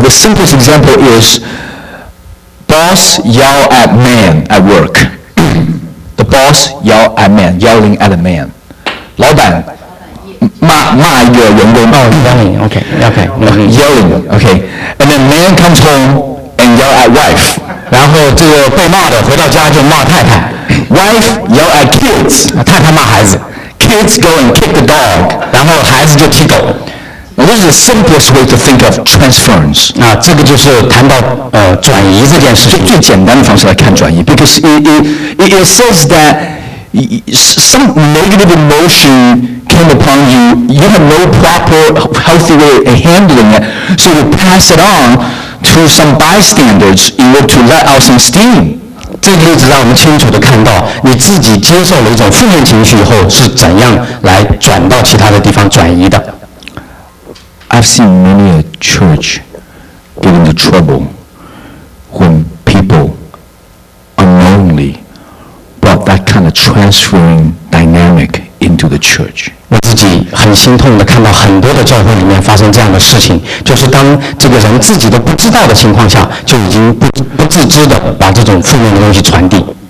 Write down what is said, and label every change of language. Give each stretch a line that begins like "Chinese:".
English: The simplest example is boss yell at man at work. The boss yell at man, yelling at a man.
Chinese: 老板。骂一个员工哦、
English: yelling, and then man comes home and yell at wife
Chinese: 然后这个被骂的回到家就骂太太
English: wife yell at kids
Chinese: 太太骂孩子
English: kids go and kick the dog
Chinese: 然后孩子就踢狗
English: now, this is the simplest way to think of transference
Chinese: 那这个就是谈到转移这件事情最简单的方式来看转移
English: because it says that some negative emotioncame upon you, you have no proper healthy way of handling it, so you pass it on to some bystanders in order to let out some steam.
Chinese: 这个例子让我们清楚地看到你自己接受了一种负面情绪以后是怎样来转到其他的地方转移的。
English: I've seen many a church get into trouble when people unknowingly brought that kind of transferring dynamic into the church.
Chinese: 我自己很心痛地看到很多的教会里面发生这样的事情，就是当这个人自己都不知道的情况下，就已经不自知地把这种负面的东西传递。